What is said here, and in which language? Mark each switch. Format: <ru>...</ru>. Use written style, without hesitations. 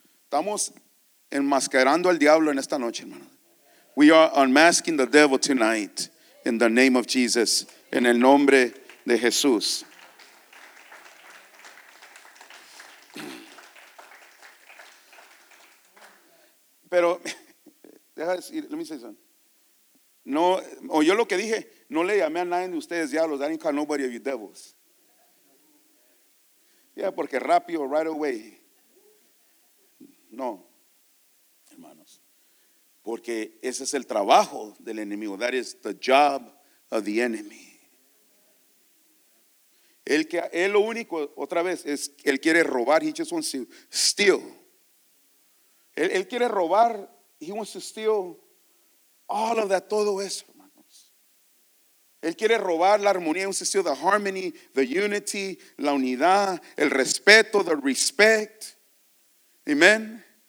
<es>Estamos enmascarando al diablo en esta noche, hermano.</es> <en>We are unmasking the devil tonight in the name of Jesus.</en> <es>En el nombre de Jesús. Pero, déjame decir,</es> <en>let me say something.</en> <es>No, oyó lo que dije. No le llamé a nadie de ustedes diablos.</es> <en>I didn't call nobody of you devils.</en> <es>Yeah, porque rápido,</es> <en>right away.</en> <es>No, hermanos. Porque ese es el trabajo del enemigo.</es> <en>That is the job of the enemy.</en> <es>Él, que, él lo único, otra vez, es él quiere robar.</es> <en>He just wants to steal.</en> <es>Él quiere robar.</es> <en>He wants to steal all of that,</en> <es>todo eso, hermanos. Él quiere robar la armonía.</es> <en>He wants to steal the harmony, the unity,</en> <es>la unidad, el respeto,</es> <en>the respect. Amen.</en>